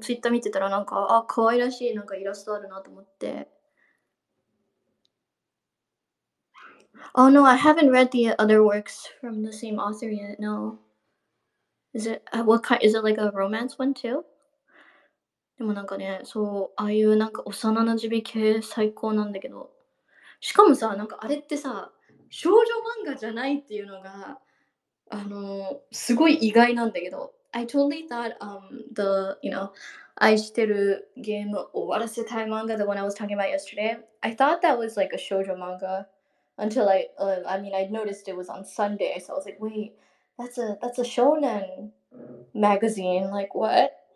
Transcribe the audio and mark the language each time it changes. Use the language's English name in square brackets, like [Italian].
[Japanese] ツイッター見てたらなんか、あ、可愛らしい、なんかイラストあるなと思って。 [English] Oh no, I haven't read the other works from the same author yet, no. Is it, what kind, is it like a romance one too? [Japanese] でもなんかね、そう、ああいうなんか幼なじみ系最高なんだけど。しかもさ、なんかあれってさ、少女漫画じゃないっていうのが、すごい意外なんだけど、 [English] I totally thought, the, you know, 愛してるゲーム終わらせたい漫画、the one I was talking about yesterday, I thought that was like a 少女漫画 until I mean, I noticed it was on Sunday, so I was like, wait, that's a shonen magazine, like what?